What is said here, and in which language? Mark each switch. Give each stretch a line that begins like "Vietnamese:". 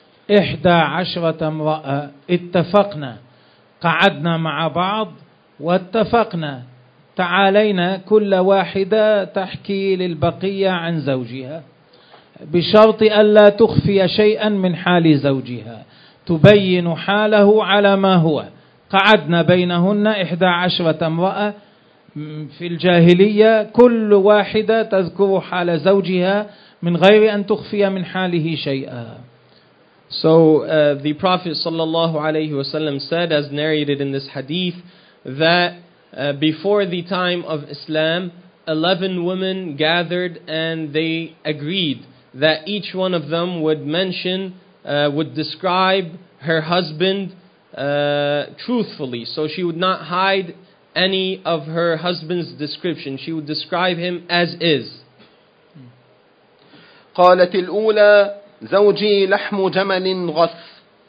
Arabic: إحدى عشرة امرأة اتفقنا قعدنا مع بعض واتفقنا تعالينا كل واحدة تحكي للبقية عن زوجها بشرط ألا تخفي شيئا من حال زوجها تبين حاله على ما هو. قعدنا بينهن 11 امرأة في الجاهلية كل واحدة تذكر حال زوجها من غير أن تخفي من حاله شيئا.
English: So the Prophet
Arabic: sallallahu alayhi wasallam
English: said, as narrated in this hadith, that before the time of Islam, 11 women gathered and they agreed that each one of them would mention, would describe her husband truthfully. So she would not hide any of her husband's description. She would describe him as is.
Arabic: قالت الأولى زوجي لحم جمل غص.